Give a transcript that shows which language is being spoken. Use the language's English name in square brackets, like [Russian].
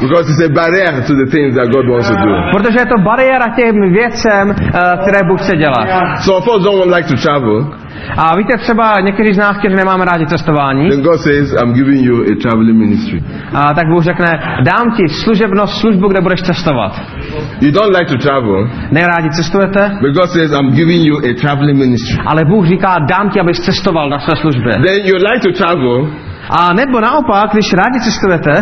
[English] Because it's a barrier to the things that God wants to do. [Czech] Protože je to bariéra těm věcem, které Bůh chce dělat. [English] So of course, don't like to travel. [Czech] A víte, třeba někteří z nás, kteří nemáme rádi cestování, [English] then God says, I'm giving you a traveling ministry. [Czech] A tak Bůh řekne, dám ti služebnost, službu, kde budeš cestovat. [English] You don't like to travel. [Czech] Nerádi cestujete. [English] But God says, I'm giving you a traveling ministry. [Czech] Ale Bůh říká, dám ti, abys cestoval na své službě. [English] Then you like to travel. [Czech] A nebo naopak, když rádi cestujete,